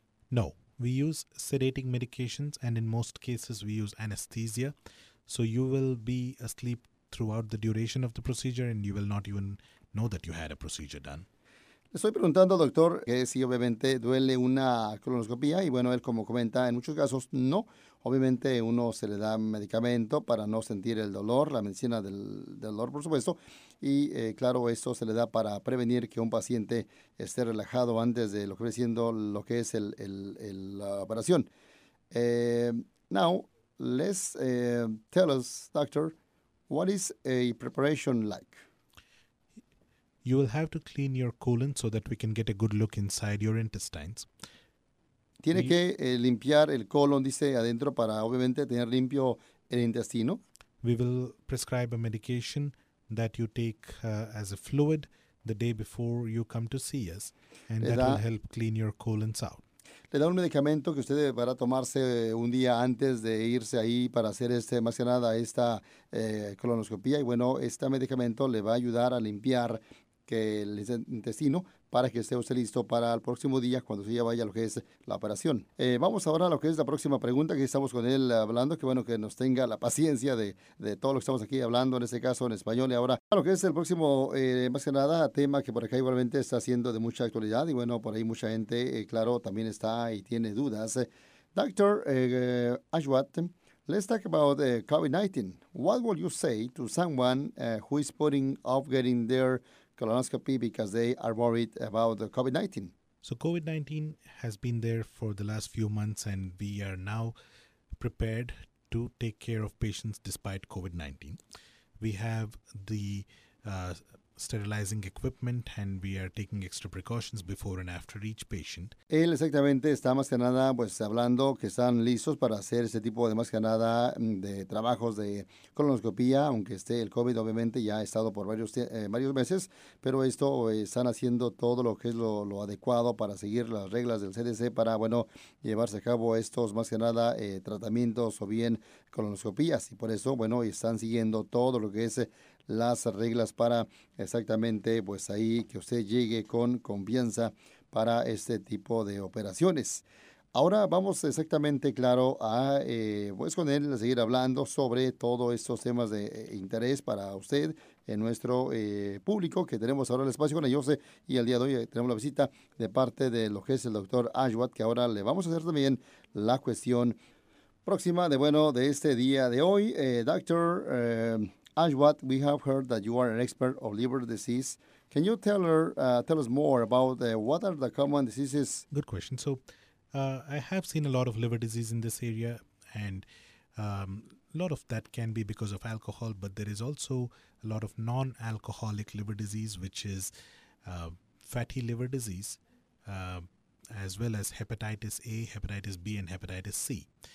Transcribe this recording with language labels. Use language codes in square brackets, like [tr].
[en] No, we use sedating medications and in most cases we use anesthesia, so you will be asleep throughout the duration of the procedure and you will not even know that you had a procedure done. [es] Le estoy preguntando, doctor, que si obviamente duele una colonoscopia y bueno, él como comenta, en muchos casos no. Obviamente uno se le da medicamento para no sentir el dolor, la medicina del dolor, por supuesto. Y claro, esto se le da para prevenir que un paciente esté relajado antes de lo que viene siendo lo que es la operación. [en] Now, let's tell us, doctor, what is a preparation like? You will have to clean your colon so that we can get a good look inside your intestines. [es] Tiene que limpiar el colon, dice, adentro para obviamente tener limpio el intestino. [en] We will prescribe a medication that you take as a fluid the day before you come to see us, and that will help clean your colons out. [es] Le da un medicamento que usted va a tomarse un día antes de irse ahí para hacer este, más que nada esta colonoscopia. Y bueno, este medicamento le va a ayudar a limpiar que el intestino para que esté usted listo para el próximo día cuando se ya vaya a lo que es la operación. Vamos ahora a lo que es la próxima pregunta que estamos con él hablando. Que bueno que nos tenga la paciencia de todo lo que estamos aquí hablando, en este caso en español. Y ahora a lo que es el próximo, más que nada, tema que por acá igualmente está siendo de mucha actualidad. Y bueno, por ahí mucha gente, claro, también está y tiene dudas. [en] Doctor Ashwat, let's talk about COVID-19. What would you say to someone who is putting off getting their colonoscopy because they are worried about the COVID-19. So COVID-19 has been there for the last few months and we are now prepared to take care of patients despite COVID-19. We have the sterilizing equipment and we are taking extra precautions before and after each patient. [es] Él exactamente está más que nada pues hablando que están listos para hacer ese tipo de más que nada de trabajos de colonoscopia, aunque esté el COVID obviamente ya ha estado por varios meses, pero esto están haciendo todo lo que es lo adecuado para seguir las reglas del CDC para bueno llevarse a cabo estos más que nada tratamientos o bien colonoscopias y por eso bueno están siguiendo todo lo que es las reglas para exactamente, pues ahí que usted llegue con confianza para este tipo de operaciones. Ahora vamos exactamente, claro, a pues con él a seguir hablando sobre todos estos temas de interés para usted en nuestro público que tenemos ahora el espacio con ellos y el día de hoy tenemos la visita de parte de lo que es el doctor Ashwat, que ahora le vamos a hacer también la cuestión próxima de bueno de este día de hoy. [en] Doctor Ashwat, we have heard that you are an expert of liver disease. Can you tell us more about what are the common diseases? Good question. So I have seen a lot of liver disease in this area, and a lot of that can be because of alcohol, but there is also a lot of non-alcoholic liver disease, which is fatty liver disease, as well as hepatitis A, hepatitis B, and hepatitis C.